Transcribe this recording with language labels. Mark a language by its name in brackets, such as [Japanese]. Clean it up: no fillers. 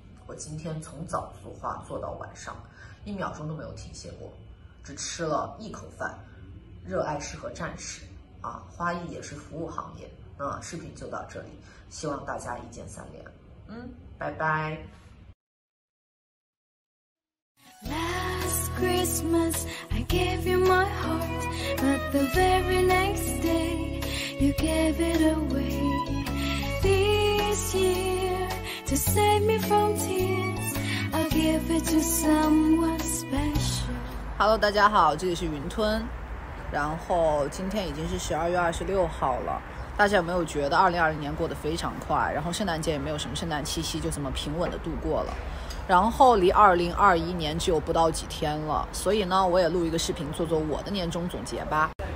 [Chinese] 我今天从早做画做到晚上，一秒钟都没有停歇过，只吃了一口饭。热爱适合战士啊，花艺也是服务行业。那视频就到这里，希望大家一键三连。拜拜。 [English] Last Christmas, I gave you my heart, but the very next day, you gave it away. This year, to save me from tears, I'll give it to someone special. [Chinese] Hello, 大家好，这里是云吞。然后今天已经是12月26号了。大家有没有觉得2020年过得非常快？然后圣诞节也没有什么圣诞气息，就这么平稳的度过了。然后离2021年只有不到几天了，所以呢，我也录一个视频做做我的年终总结吧。